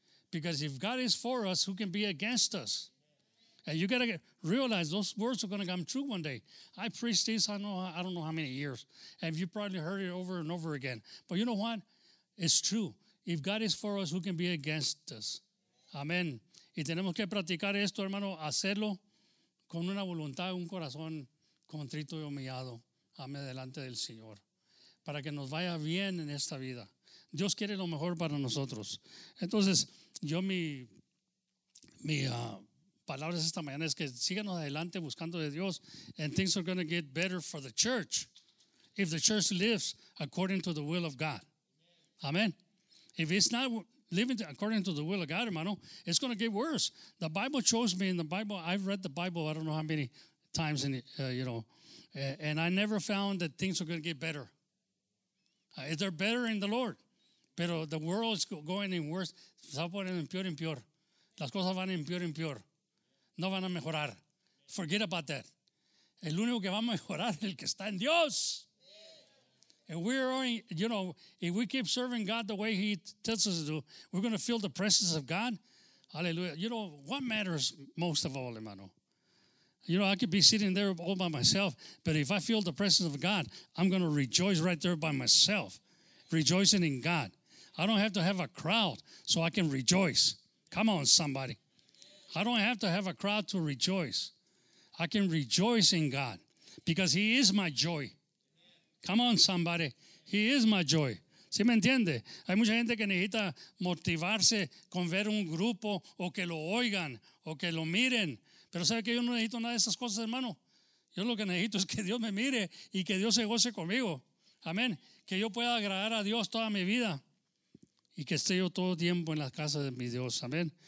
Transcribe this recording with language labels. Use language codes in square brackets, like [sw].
[en] Because if God is for us, who can be against us? And you got to realize those words are going to come true one day. I preached this, I don't know how many years. And you probably heard it over and over again. But you know what? It's true. If God is for us, who can be against us? Amen. [es] Y tenemos que practicar esto, hermano, hacerlo con una voluntad, un corazón contrito y humillado. Amén. Delante del Señor. Para que nos vaya bien en esta vida. Dios quiere lo mejor para nosotros. Entonces, yo mi palabras esta mañana es que síganos adelante buscando de Dios. [en] And things are going to get better for the church. If the church lives according to the will of God. Amen. If it's not living according to the will of God, hermano, it's going to get worse. The Bible shows me in the Bible, I've read the Bible I don't know how many times, and I never found that things are going to get better. They're better in the Lord. [es] Pero [en] the world is going in worse. [es] Se está poniendo en peor y en peor. Las cosas van en peor y en peor. No van a mejorar. [en] Forget about that. [es] El único que va a mejorar es el que está en Dios. [en] And if we keep serving God the way He tells us to do, we're going to feel the presence of God. Hallelujah. You know, what matters most of all, hermano? You know, I could be sitting there all by myself, but if I feel the presence of God, I'm going to rejoice right there by myself, rejoicing in God. I don't have to have a crowd so I can rejoice. Come on, somebody. I don't have to have a crowd to rejoice. I can rejoice in God because He is my joy. Come on, somebody. He is my joy. [es] ¿Sí me entiende? Hay mucha gente que necesita motivarse con ver un grupo o que lo oigan o que lo miren. Pero sabe que yo no necesito nada de esas cosas, hermano. Yo lo que necesito es que Dios me mire y que Dios se goce conmigo. Amén. Que yo pueda agradar a Dios toda mi vida y que esté yo todo tiempo en la casa de mi Dios. Amén.